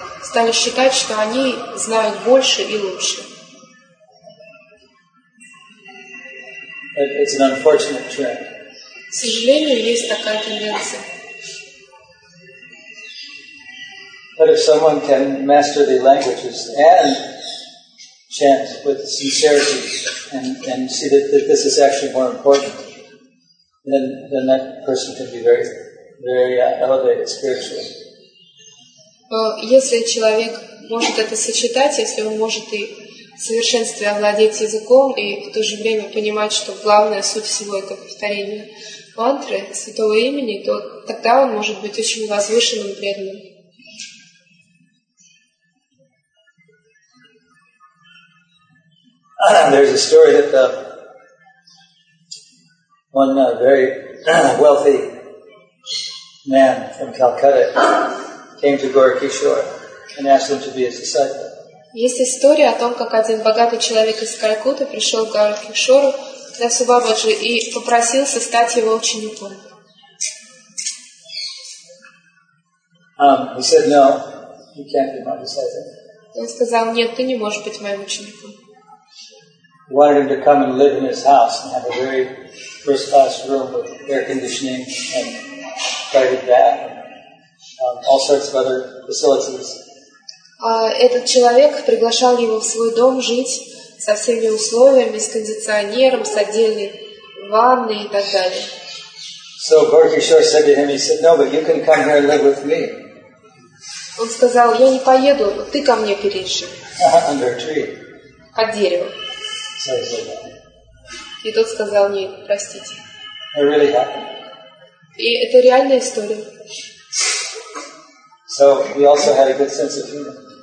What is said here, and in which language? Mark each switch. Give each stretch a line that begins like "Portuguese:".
Russian: Стали считать, что они знают больше и лучше.
English: It's an unfortunate trend.
Russian: К сожалению, есть такая тенденция.
English: But if someone can master the languages and chant with sincerity and see that this is actually more important, then that person can be very, very elevated spiritually.
Russian: Но если человек может это сочетать, если он может и в совершенстве овладеть языком и в то же время понимать, что главная суть всего это повторение мантры святого имени, то тогда он может быть очень возвышенным преданным.
English: There's a story that one very wealthy man from Calcutta came to Gaura Kishore and asked him to be his disciple.
Russian: Есть история о том, как один богатый человек из Калькутты пришел к Гаура Кишору для Субабаджи и попросился стать его учеником.
English: He said, no, you can't be my disciple.
Russian: Он сказал, нет, ты не можешь быть моим учеником.
English: Wanted him to come and live in his house and have a very first-class room with air conditioning and private bath and all sorts of other facilities.
Russian: Этот человек приглашал его в свой дом жить со всеми условиями, с кондиционером, с отдельной ванной и так далее.
English: So Gaura Kishore said to him, he said, no, but you can come here and live with me.
Russian: Он сказал, я не поеду, но ты ко мне переезжай.
English: Under a tree.
Russian: Под деревом. И тот сказал, нет, простите.
English: It really happened.
Russian: И это реальная история.
English: So we also had a good sense of humor.